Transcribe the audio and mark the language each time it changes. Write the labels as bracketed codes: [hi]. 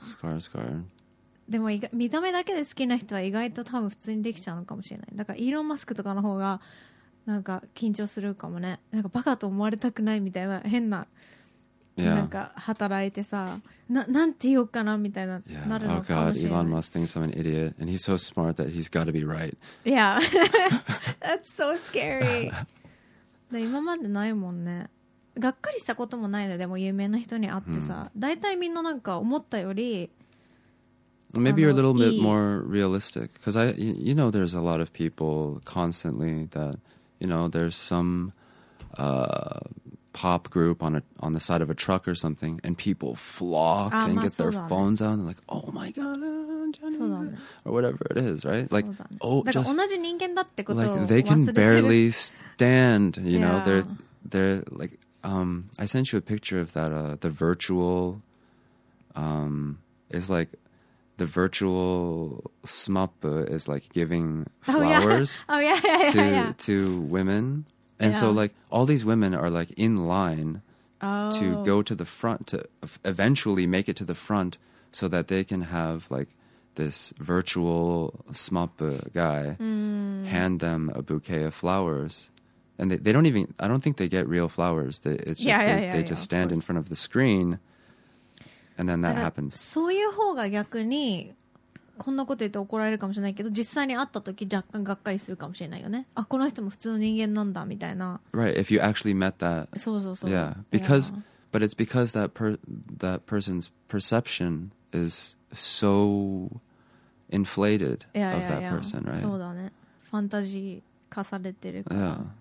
[ja] スカースガード。でも見た目だけで好きな人は意外と多分普通にできちゃうのかもしれない。だからイーロン・マスクとかの方がなんか緊張するかもね。なんかバカと思われたくないみたいな変な。 [en] Yeah. [ja] なんか働いてさ、なんて言おうかなみたいな、 [en] yeah. [ja] なるのかもしれない。 [en] Oh God, Elon Musk thinks I'm an idiot, and he's so smart that he's got to be right. Yeah, that's so scary. [ja] 今までないもんね。がっかりしたこともないので、でも有名な人に会ってさ、大体みんななんか思ったより、 [en] Maybe you're a little bit more realistic, because you know, there's a lot of people constantly that, you know, there's some, pop group on the side of a truck or something, and people flock and get their phones out and like, oh my god, or whatever it is, right? Like, oh, just like they can barely stand, you know? They're like, I sent you a picture of that, the virtual, is like. The virtual smup is like giving flowers to women. And so like all these women are like in line to go to the front, to eventually make it to the front so that they can have like this virtual smup guy hand them a bouquet of flowers. And they don't even, I don't think they get real flowers. They just stand in front of the screen. And then that happens. [ja] そういう方が逆にこんなこと言って怒られるかもしれないけど、実際に会った時若干がっかりするかもしれないよね。あ、この人も普通の人間なんだみたいな。 [en] Right, if you actually met that. [ja] そうそうそう。 [en] Yeah, because, but it's because that person's perception is so inflated of that person, right? [ja] そうだね。ファンタジー化されてるから。